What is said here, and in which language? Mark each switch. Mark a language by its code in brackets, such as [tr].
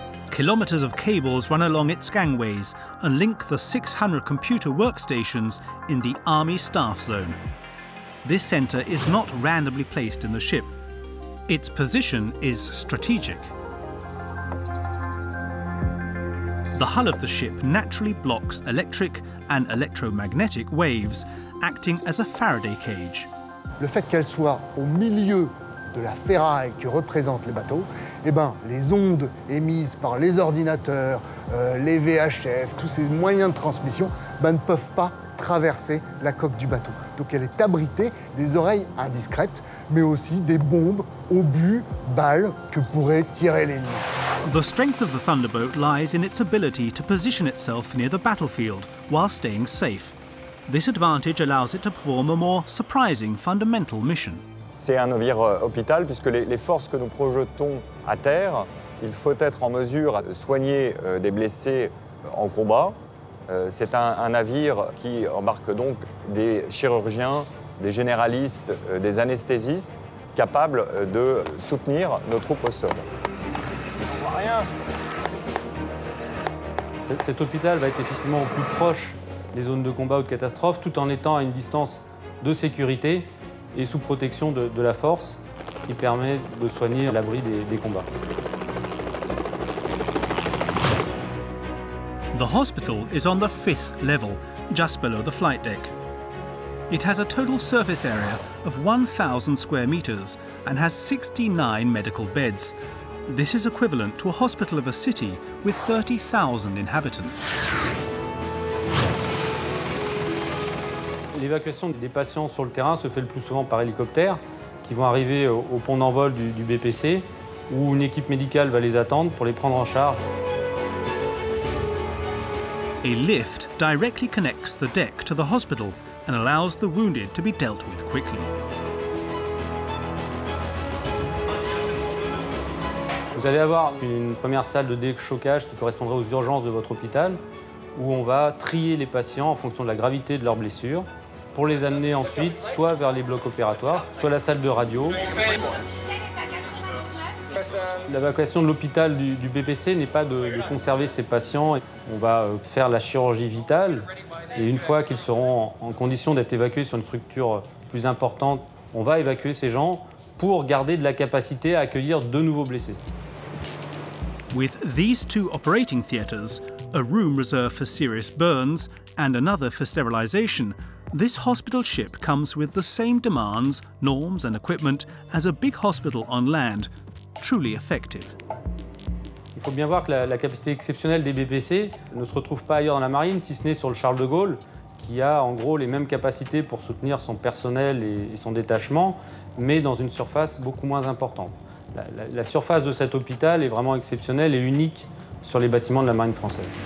[en] Kilometers of cables run along its gangways and link the 600 computer workstations in the Army Staff Zone. This center is not randomly placed in the ship. Its position is strategic. The hull of the ship naturally blocks electric and electromagnetic waves, acting as a Faraday cage. [fr] Le fait qu'elle soit au milieu de la ferraille que représente le bateau, eh ben, les ondes émises par les ordinateurs, les VHF, tous ces moyens de transmission, ben, ne peuvent pas traverser la coque du bateau. Donc elle est abritée des oreilles indiscrètes, mais aussi des bombes, obus, balles que pourraient tirer l'ennemi. [en] The strength of the Thunderboat lies in its ability to position itself near the battlefield while staying safe. This advantage allows it to perform a more surprising fundamental mission. [fr] C'est un navire hôpital puisque les forces que nous projetons à terre, il faut être en mesure de soigner des blessés en combat. C'est un navire qui embarque donc des chirurgiens, des généralistes, des anesthésistes capables de soutenir nos troupes au sol. On voit rien. Cet hôpital va être effectivement au plus proche des zones de combat ou de catastrophe, tout en étant à une distance de sécurité et sous protection de la force, ce qui permet de soigner à l'abri des combats. [en] The hospital is on the fifth level, just below the flight deck. It has a total surface area of 1,000 square meters and has 69 medical beds. This is equivalent to a hospital of a city with 30,000 inhabitants. [fr] L'évacuation des patients sur le terrain se fait le plus souvent par hélicoptère, qui vont arriver au pont d'envol du BPC, où une équipe médicale va les attendre pour les prendre en charge. [en] A lift directly connects the deck to the hospital and allows the wounded to be dealt with quickly. [fr] Vous allez avoir une première salle de déchocage qui correspondrait aux urgences de votre hôpital, où on va trier les patients en fonction de la gravité de leurs blessures, pour les amener ensuite soit vers les blocs opératoires, soit la salle de radio. L'évacuation de l'hôpital du BPC n'est pas de conserver ces patients. On va faire la chirurgie vitale. Et une fois qu'ils seront en condition d'être évacués sur une structure plus importante, on va évacuer ces gens pour garder de la capacité à accueillir de nouveaux blessés. [en] With these two operating theaters, a room reserved for serious burns and another for sterilization, this hospital ship comes with the same demands, norms and equipment as a big hospital on land, truly effective. [fr] Il faut bien voir que la capacité exceptionnelle des BPC ne se retrouve pas ailleurs dans la marine, si ce n'est sur le Charles de Gaulle, qui a en gros les mêmes capacités pour soutenir son personnel et son détachement, mais dans une surface beaucoup moins importante. La surface de cet hôpital est vraiment exceptionnelle et unique sur les bâtiments de la marine française.